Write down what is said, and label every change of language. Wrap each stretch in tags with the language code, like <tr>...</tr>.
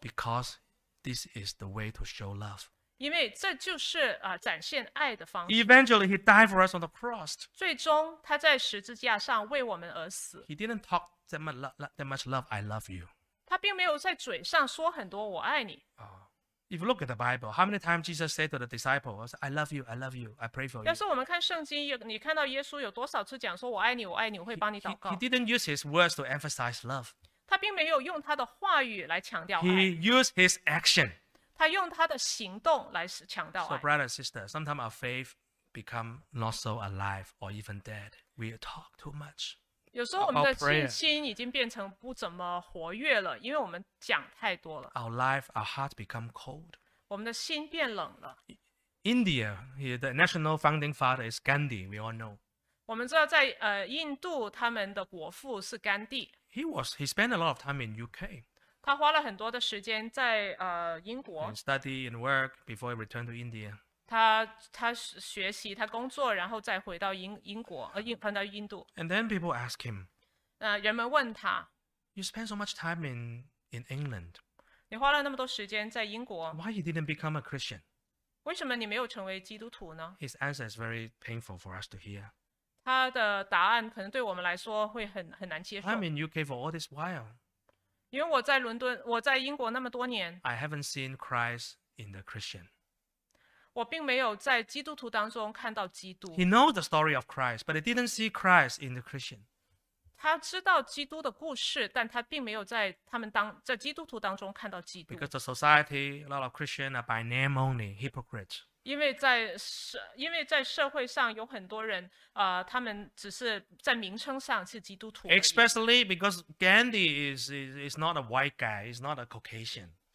<en>Because this is the way to show love.</en> <zh>因为这就是展现爱的方式。</zh> <en>Eventually he died for us on the cross.</en> <zh>最终他在十字架上为我们而死。</zh> <en>He didn't talk that much love, I love you.</en> <zh>他并没有在嘴上说很多我爱你。</zh> <en>If you look at the Bible, how many times Jesus said to the disciples, I love you, I love you, I pray for you.</en> <zh>要是我们看圣经，你看到耶稣有多少次讲说我爱你，我爱你，我会帮你祷告。</zh> <en>He didn't use his words to emphasize love.</en> <zh>他并没有用他的话语来强调爱。</zh> <en>He used his action.</en> <zh>他用他的行动来强调爱。</zh> <en>So brother and sister, sometimes our faith become not so alive or even dead. We talk too much.</en> <zh>有时候我们的信心已经变成不怎么活跃了，因为我们讲太多了。</zh> <en>Our life, our heart become cold.</en> <zh>我们的心变冷了。</zh> <en>India, the national founding father is Gandhi, we all know.</en> <zh>我们知道在印度他们的国父是甘地。</zh> <en>He spent a lot of time in UK.</en> <zh>他花了很多的时间在英国。</zh> <en>And study and work before he returned to India.</en> <zh>他学习，他工作，然后再回到英国，回到印度。</zh> <en>And then people ask him.</en> <zh>人们问他。</zh> <en>You spend so much time in England.</en> <zh>你花了那么多时间在英国。</zh> <en>Why you didn't become a Christian?</en> <zh>为什么你没有成为基督徒呢？</zh> <en>His answer is very painful for us to hear.</en> <zh>他的答案可能对我们来说会很难接受。</zh> <en>I'm in UK for all this while.</en> <zh>因为我在伦敦，我在英国那么多年。</zh> <en>I haven't seen Christ in the Christian.</en> <zh>我并没有在基督徒当中看到基督。</zh> <en>He knows the story of Christ, but he didn't see Christ in the Christian.</en> <zh>他知道基督的故事，但他并没有在基督徒当中看到基督。</zh> <en>Because the society, a lot of Christians are by name only, hypocrites.</en> <zh>因为在社会上有很多人，他们只是在名称上是基督徒。</zh> <en>Especially because Gandhi is not a white guy, he's not a Caucasian.</en>